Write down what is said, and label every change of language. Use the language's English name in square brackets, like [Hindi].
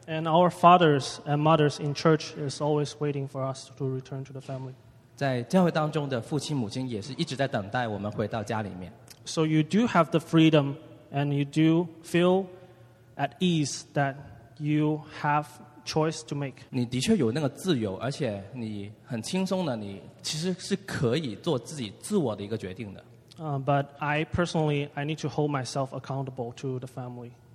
[English] And our fathers and mothers in church is always waiting for us to return to the family. [Chinese] 在教会当中的父亲母亲也是一直在等待我们回到家里面。 [English] So you do have the freedom and you do feel at ease that you have choice to make. [Chinese] 你的确有那个自由，而且你很轻松的，你其实是可以做自己自我的一个决定的。 [English] But I personally, I need to hold myself accountable to the family.